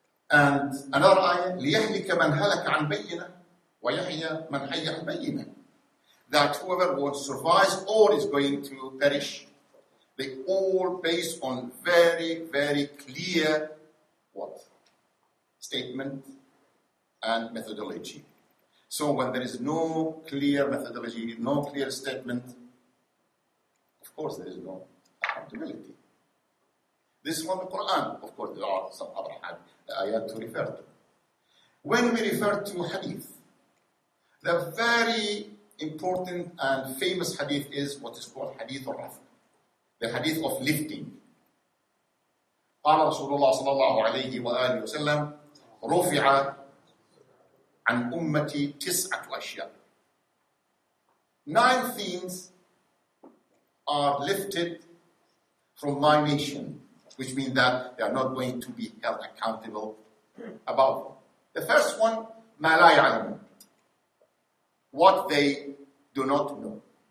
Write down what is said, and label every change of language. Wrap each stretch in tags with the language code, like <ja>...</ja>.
<en>And another ayah,</en> <ar>لِيَحْلِكَ مَنْ هَلَكَ عَنْ بَيِّنَةً وَيَحْيَ مَنْ حَيَّ عَنْ بَيِّنَةً.</ar> <en>That whoever will survive or is going to perish, they all based on very, very clear what? Statement and methodology. So when there is no clear methodology, no clear statement, of course there is no accountability. This is from the Quran. Of course, there are some other ayat to refer to. When we refer to hadith, the very important and famous hadith is what is called hadith al-raf, the hadith of lifting.</en> <ar>قال رسول الله صلى الله عليه وآله وسلم رفع عن أمتي تسعة أشياء.</ar> <en>Nine things are lifted from my nation, which means that they are not going to be held accountable about them. The first one,</en> <ar>ما لا يعلمون,</ar> <en>what they do not know.</en>